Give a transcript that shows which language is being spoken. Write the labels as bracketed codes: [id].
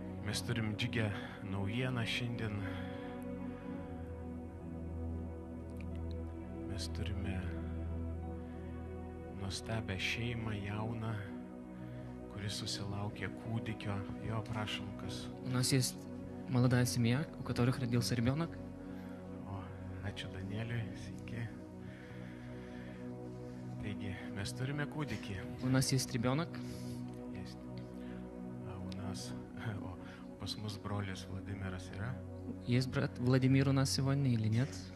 [lt] Mes turim džiugią naujieną šiandien. Mes turime nuostabią šeimą jauną, kuris susilaukė kūdikio. Jo, prašom, kas. [ru] У нас есть молодая семья, у которых родился ребенок. [lt] О, ačiū Danieliui, sveiki. Taigi, mes turime kūdikį. [ru] У нас есть ребенок. Есть. А у нас, [lt] о, pas mus brolis Vladimiras yra. [ru] Есть брат Владимир у нас сегодня или нет?